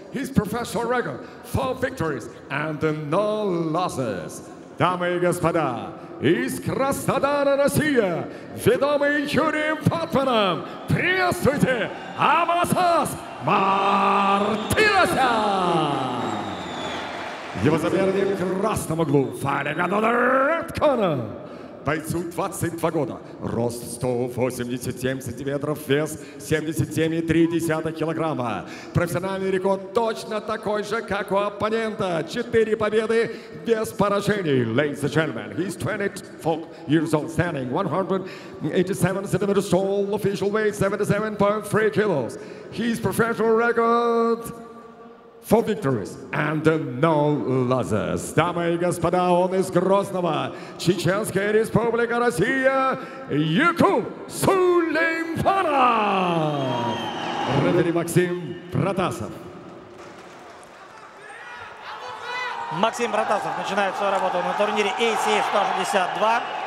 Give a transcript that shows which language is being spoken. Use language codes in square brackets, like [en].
[en] His professional record. 4 victories and no losses. [ru] Дамы и господа, из Краснодара, Россия, ведомый Юрием Фатманом, приветствуйте Амасас Мартиноса! Его соперник в красном углу, Файлинг Анонардкона. Бойцу 22 года, рост 187 сантиметров, вес 77,3 килограмма. Профессиональный рекорд точно такой же, как у оппонента. 4 победы без поражений. [en] Ladies and gentlemen, he's 24 years old, standing 187 centimeters tall, official weight 77.3 kilos. His professional record... 4 victories and no losses. [ru] Дамы и господа, он из Грозного, Чеченская Республика Россия, Якуб Сулейманов! Рефери Максим Протасов. Максим Протасов начинает свою работу на турнире ACF 162.